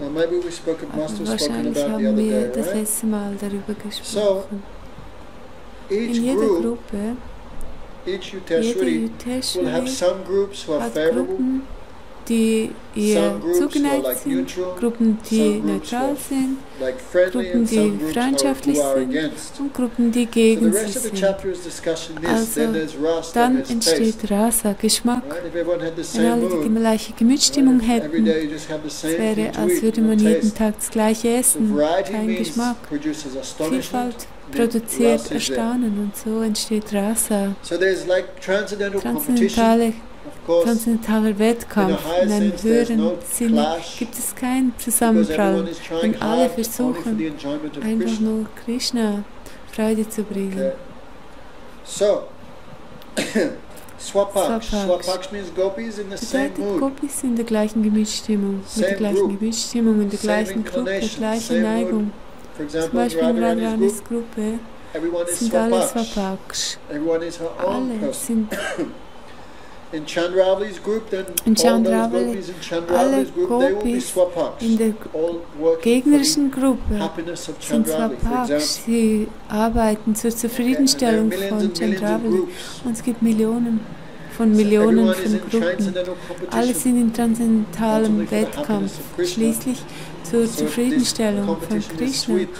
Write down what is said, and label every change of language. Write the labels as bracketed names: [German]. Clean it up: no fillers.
[German] Wahrscheinlich haben wir das letzte Mal darüber gesprochen. In jeder Gruppe, [English] jede Yutheshwari, will have some groups who are favorable, [German] hat Gruppen, die ihr zugeneigt sind, Gruppen, die neutral sind, Gruppen, die freundschaftlich sind und Gruppen, die gegen sie sind. Also dann entsteht Rasa, Geschmack. Wenn alle die gleiche Gemütsstimmung hätten, es wäre, als würde man jeden Tag das gleiche essen, kein Geschmack. Vielfalt produziert Erstaunen und so entsteht Rasa. Transzendentaler Wettkampf, in einem höheren Sinn gibt es keinen Zusammenprall, wenn alle versuchen, einfach nur Krishna Freude zu bringen. Swapaksh bedeutet Gopis in der gleichen Gemütsstimmung, mit der gleichen Gemütsstimmung, in der gleichen Gruppe, der gleichen Neigung. Zum Beispiel in Radharanis Gruppe sind alle Swapaksh. Alle sind [English] in Chandravali's group, then in Chandravali, all those gopis in Chandravali's group, they will be swapaks. [German] In der gegnerischen Gruppe sind swapaks. Sie arbeiten zur Zufriedenstellung von Chandravali. Und es gibt Millionen von Millionen von Gruppen. Alle sind in transzendentalem Wettkampf, schließlich zur Zufriedenstellung von Krishna.